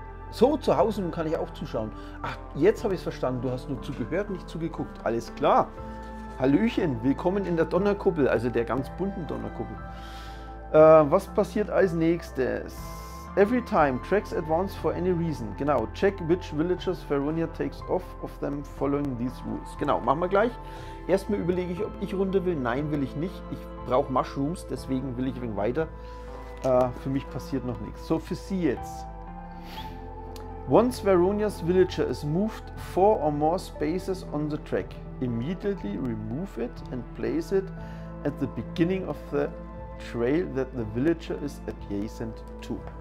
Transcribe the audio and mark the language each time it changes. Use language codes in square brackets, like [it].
[de] So, zu Hause, nun kann ich auch zuschauen. Ach, jetzt habe ich es verstanden. Du hast nur zugehört, nicht zugeguckt. Alles klar. Hallöchen, willkommen in der Donnerkuppel, also der ganz bunten Donnerkuppel. Was passiert als nächstes? [en] every time tracks advance for any reason. Genau, check which villagers Faronia takes off of them following these rules. [de] Genau, machen wir gleich. Erstmal überlege ich, ob ich runter will. Nein, will ich nicht. Ich brauche Mushrooms, deswegen will ich ein wenig weiter. Für mich passiert noch nichts. So, für Sie jetzt. [en] Once Veronia's villager is moved four or more spaces on the track, immediately remove it and place it at the beginning of the trail that the villager is adjacent to.